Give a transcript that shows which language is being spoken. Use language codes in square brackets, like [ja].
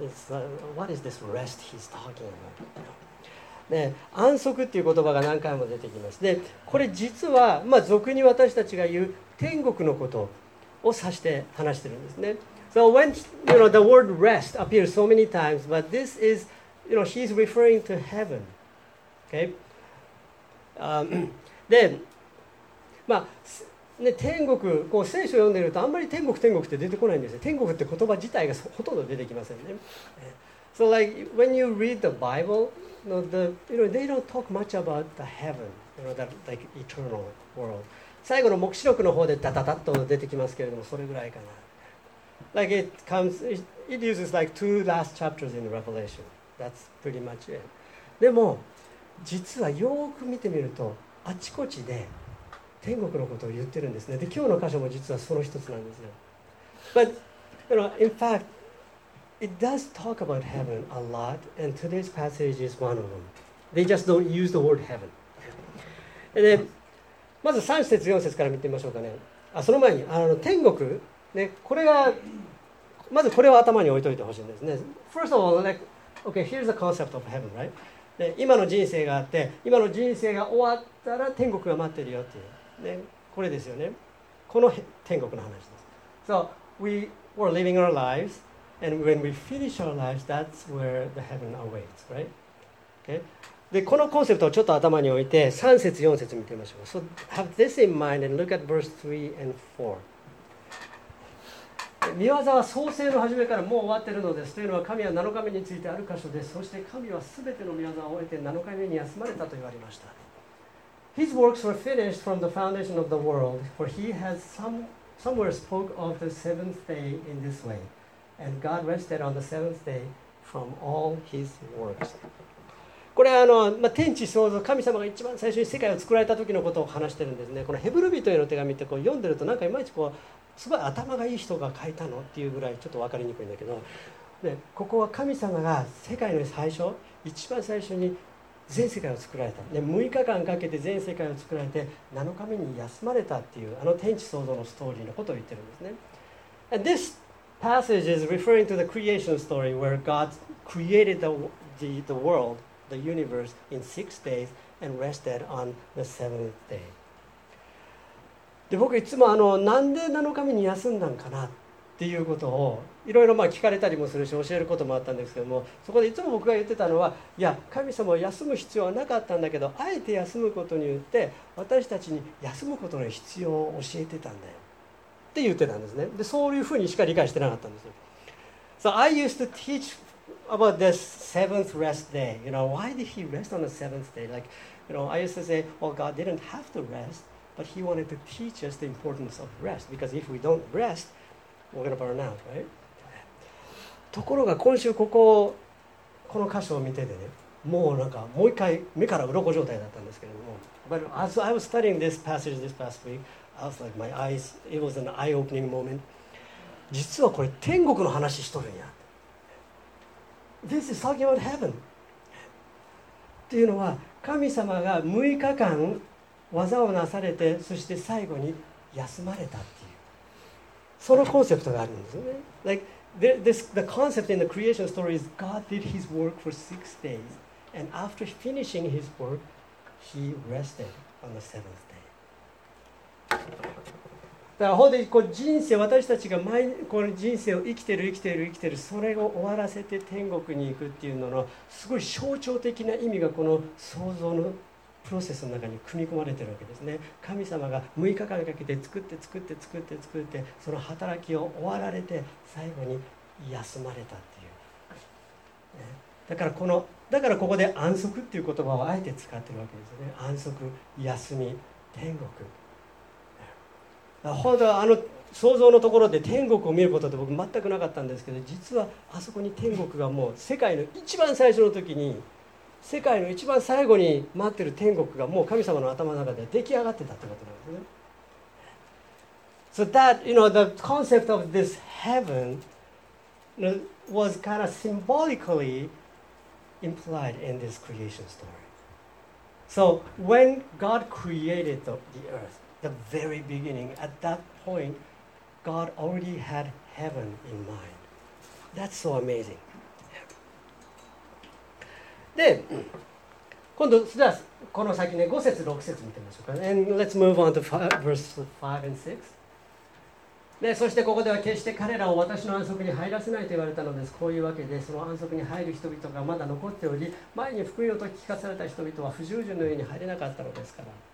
[en] It's like, what is this rest he's talking about? [ja] ね、安息っていう言葉が何回も出てきます。でこれ実は、まあ、俗に私たちが言う天国のことを指して話してるんですね。 [en] So when you know, the word rest appears so many times, but this is, you know, he's referring to heaven. Okay? [ja] で、まあね、天国、こう聖書を読んでるとあんまり天国天国って出てこないんですよ。天国って言葉自体がほとんど出てきませんね。 [en] So like when you read the BibleNo, the, you know, they don't talk much about the heaven, you know, that like eternal world. [ja] 最後の黙示録の方でダダダッと出てきますけれども、それぐらいかな。 [en] Like it comes, it uses like two last chapters in Revelation. That's pretty much it. [ja] でも実はよく見てみると、あちこちで天国のことを言ってるんですね。で今日の箇所も実はその一つなんですよ。 [en] But you know, in fact. It does talk about heaven a lot, and today's passage is one of them. They just don't use the word heaven. [ja] で、まず3節4節から見てみましょうかね。あ、その前に、あの天国、ね、これが、まずこれを頭に置いといてほしいんですね。 [en] First of all, like, okay, here's the concept of heaven, right? [ja] で、今の人生があって、今の人生が終わったら天国が待ってるよっていう。ね、これですよね。この天国の話です。 [en] So, we were living our lives. And when we finish our lives, that's where the heaven awaits, right? Okay? [ja] で、このコンセプトをちょっと頭に置いて、3節、4節見てみましょう。 [en] So have this in mind and look at verse 3 and 4. [ja] 見業は創生の始めからもう終わっているのです。というのは、神は7日目についてある箇所で、そして神は全ての見業を終えて7日目に休まれたと言われました。 [en] His works were finished from the foundation of the world, for he has somewhere spoke of the seventh day in this way. And God rested on the seventh day from all His works. [ja] これはあの、まあ、天地創造、神様が一番最初に世界を作られた時のことを話してるんですね。このヘブル人への手紙ってこう読んでると、なんかいまいちこうすごい頭がいい人が書いたのっていうぐらいちょっと分かりにくいんだけど、でここは神様が世界の最初、一番最初に全世界を作られた、で6日間かけて全世界を作られて7日目に休まれたっていう、あの天地創造のストーリーのことを言ってるんですね。 [en] And thisPassage is referring to the creation story where God created the world, the universe, in six days and rested on the seventh day. [ja] で、僕いつもあの、なんで7日目に休んだんかなっていうことをいろいろまあ聞かれたりもするし、教えることもあったんですけども、そこでいつも僕が言ってたのは、いや、神様は休む必要はなかったんだけど、あえて休むことによって私たちに休むことの必要を教えてたんだよって言ってたんですね。で、そういうふうにしか理解してなかったんですよ。 [en] So I used to teach about this seventh rest day. You know, why did he rest on the seventh day? Like, you know, I used to say, well, God didn't have to rest, but he wanted to teach us the importance of rest. Because if we don't rest, we're gonna burn out, right? [ja] ところが今週こここの箇所を見ててね、もうなんかもう一回目から鱗状態だったんですけれども、 [en] But as I was studying this passage this past week, I was like my eyes, it was an eye-opening moment. [ja] 実はこれ天国の話しとるんや。 [en] This is talking about heaven. [ja] っていうのは神様が6日間技をなされて、そして最後に休まれたっていう、そのコンセプトがあるんですよね。 [en] Like this, the concept in the creation story is God did His work for six days, and after finishing His work, He rested on the seventh day. [ja] だから本当にこう人生、私たちが毎この人生を生きてる生きてる生きてる、それを終わらせて天国に行くっていうののすごい象徴的な意味がこの創造のプロセスの中に組み込まれてるわけですね。神様が6日間かけて作って作って作って作って、その働きを終わられて最後に休まれたっていう、ね、だからここで安息っていう言葉をあえて使ってるわけですね。安息、休み、天国。本当はあの想像のところで天国を見ることって僕全くなかったんですけど、実はあそこに天国がもう世界の一番最初の時に、世界の一番最後に待ってる天国がもう神様の頭の中で出来上がってたってことなんですね。 [en] So that, you know, the concept of this heaven was kind of symbolically implied in this creation story. So when God created the earth,The very beginning, at that point, God already had heaven in mind. That's so amazing. [ja] で、今度、じゃあこの先ね、5節、6節見てみましょうか。 [en] And let's move on to verse 5 and 6. [ja] で、そしてここでは決して彼らを私の安息に入らせないと言われたのです。こういうわけで、その安息に入る人々がまだ残っており、前に福音を説き聞かされた人々は不従順のように入れなかったのですから。